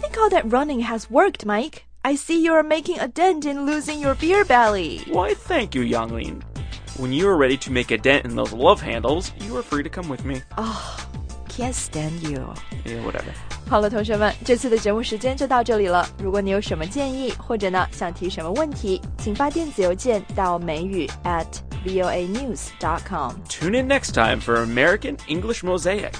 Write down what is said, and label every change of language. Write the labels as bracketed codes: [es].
[en] That running has worked, Mike. I see you're making a dent in losing your beer belly. Why, thank you, Yanglin. When you're ready to make a dent in those love handles, you are free to come with me. Oh, can't stand you. Yeah, whatever. [zh] 好了，同学们，这次的节目时间就到这里了。如果你有什么建议，或者呢想提什么问题，请发电子邮件到美语@voanews.com. [en] Tune in next time for American English Mosaic.